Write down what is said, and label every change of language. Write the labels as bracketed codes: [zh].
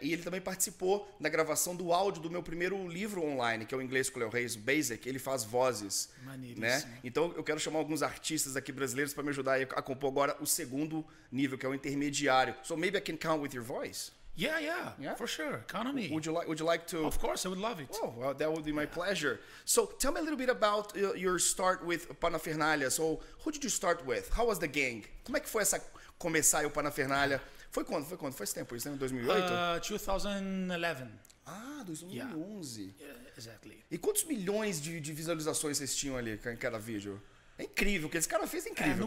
[pt] E ele também participou da gravação do áudio do meu primeiro livro online, que é o Inglês com o Léo Reis, Basic. Ele faz vozes. Maneiríssimo. Né? Então eu quero chamar alguns artistas aqui brasileiros para me ajudar a compor agora o segundo nível, que é o intermediário. [en] So maybe I can count with your voice. Yeah, for sure. Count on me. Would you like to? Of course, I would love it. Oh, well, that would be my pleasure. So tell me a little bit about your start with Parafernália. So who did you start with? How was the gang? [pt] Como é que foi essa começar o Parafernália? Foi quando? Faz tempo isso, né? 2008? 2011. Ah, 2011. [en] Yeah, exactly. [pt] E quantos milhões de visualizações vocês tinham ali em cada vídeo? É incrível, o que esse cara fez é incrível,